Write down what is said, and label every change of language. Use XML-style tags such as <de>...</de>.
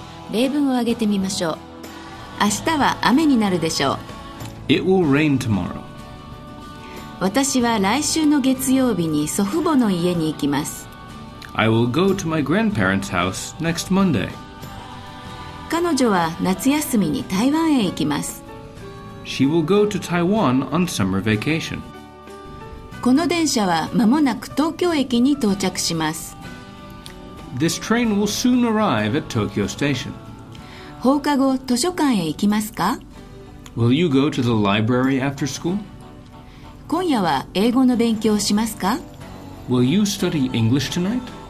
<ja>例文を挙げてみましょう。明日は雨になるでしょう。</ja> <en>It will rain tomorrow。</en> <ja>私は来週の月曜日に祖父母の家に行きます。</ja> <en>I will go to my grandparents' house next Monday。</en> <ja>彼女は夏休みに台湾へ行きます。</ja> <en>She will go to Taiwan on summer vacation.</en> <ja>この電車は間もなく東京駅に到着します。</ja> <en>This train will soon arrive at Tokyo Station.</en> <ja>放課後、図書館へ行きますか?</ja> <en>Will you go to the library after school?</en> <ja>今夜は英語の勉強をしますか?</ja> <en>Will you study English tonight?</en>